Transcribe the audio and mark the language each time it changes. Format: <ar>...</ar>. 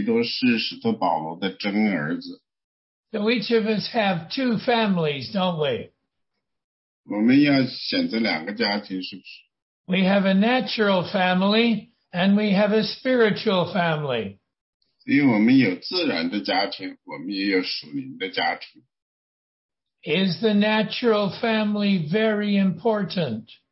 <zh>实际上在这里当然不是说提多是保罗身体的儿子，这里讲到的呢，是说使徒保罗跟提多传了真理，传了神的真理，然后提多接受了，从这个意义上来说，提多是使徒保罗的真儿子。</zh> <en>So each of us have two families, don't we?</en> <zh>我们要选择两个家庭，是不是？</zh> <en>We have a natural family and we have a spiritual family.</en> <zh>因为我们有自然的家庭，我们也有属灵的家庭。</zh> <en>Is the natural family very important?</en>